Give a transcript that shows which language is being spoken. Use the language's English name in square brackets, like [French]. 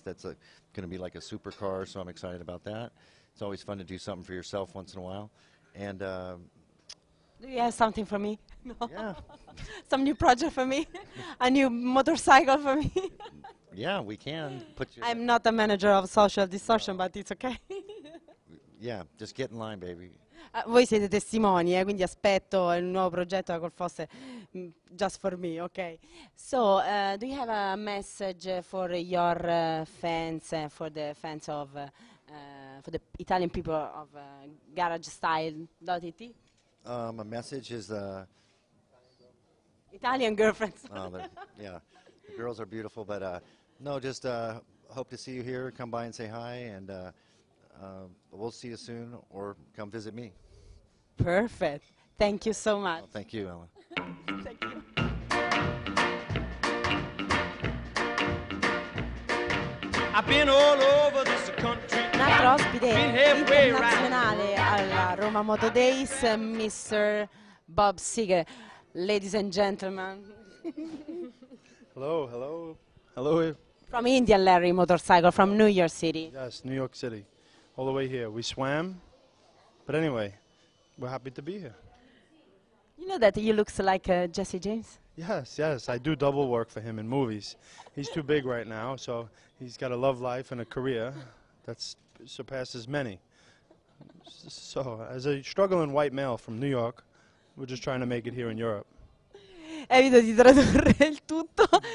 [English] That's going to be like a supercar, so I'm excited about that. It's always fun to do something for yourself once in a while. And do you have something for me? No. Yeah. Some new project for me? A new motorcycle for me? Yeah, we can put you. I'm not the manager of Social Distortion, but it's okay. Yeah, just get in line, baby. [Italian] Voi siete testimoni, quindi aspetto il nuovo progetto da Cole Foster [English] just for me, okay? So, do you have a message for your fans, for the fans of, for the Italian people of GarageStyle.it? A message is Italian girlfriends. yeah, the girls are beautiful, but no, just hope to see you here. Come by and say hi, and we'll see you soon or come visit me. Perfect. Thank you so much. Well, thank you, Ellen. Thank you. I've been all over this country. [Italian] Un altro ospite internazionale alla Roma Moto Days, Mr. [English] Bob Seger. Ladies and gentlemen. Hello. Hello. From India, Larry Motorcycle, from New York City. Yes, New York City. All the way here. We swam, but anyway, we're happy to be here. You know that you look like Jesse James? Yes, I do double work for him in movies. He's too big right now, so he's got a love life and a career. that surpasses many. So, as a struggling white male from New York, we're just trying to make it here in Europe. [Italian] Evito di tradurre il tutto.